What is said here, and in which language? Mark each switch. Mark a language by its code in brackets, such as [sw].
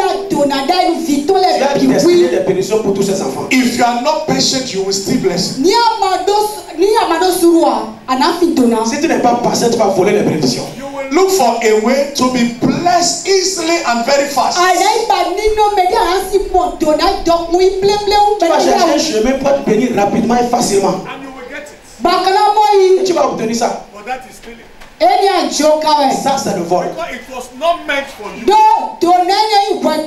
[en] If you are not patient, you will still bless him. [fr] Si tu n'es pas patient, tu vas voler les bénédictions. [en] You will look for a way to be blessed easily and very fast. [fr] Tu vas chercher un chemin pour être béni rapidement et facilement. [en] And you will get it. [fr] Et tu vas obtenir ça. [en] But that is stealing. [fr] Ça, c'est le vol. [en] It was not meant for you.